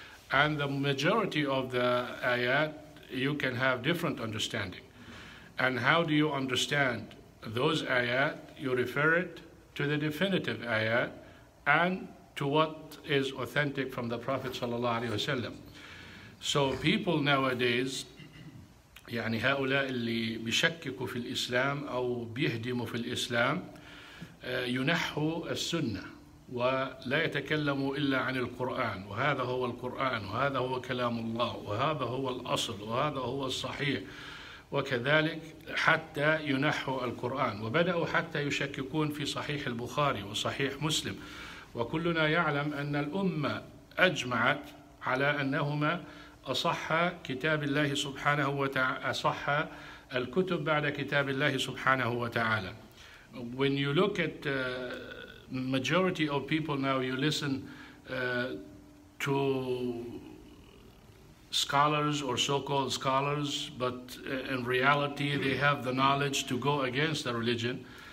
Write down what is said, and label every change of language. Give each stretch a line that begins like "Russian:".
English: And the majority of the ayat, you can have different understanding. And how do you understand those ayat? You refer it to the definitive ayat and to what is authentic from the Prophet
Arabic: sallallahu alaihi wasallam.
English: So people nowadays,
Arabic: يعني هؤلاء اللي بيشككوا في الإسلام أو بيهدموا في الإسلام ينحوا السنة ولا يتكلموا إلا عن القرآن، وهذا هو القرآن وهذا هو كلام الله وهذا هو الأصل وهذا هو الصحيح، وكذلك حتى ينحوا القرآن، وبدأوا حتى يشككون في صحيح البخاري وصحيح مسلم. وكلنا يعلم أن الأمة أجمعت على أنهما أصح كتاب الله سبحانه وتعالى، أصح الكتب بعد كتاب الله سبحانه وتعالى.
English: When you look at majority of people now, you listen to scholars or so-called scholars, but in reality they have the knowledge to go against the religion.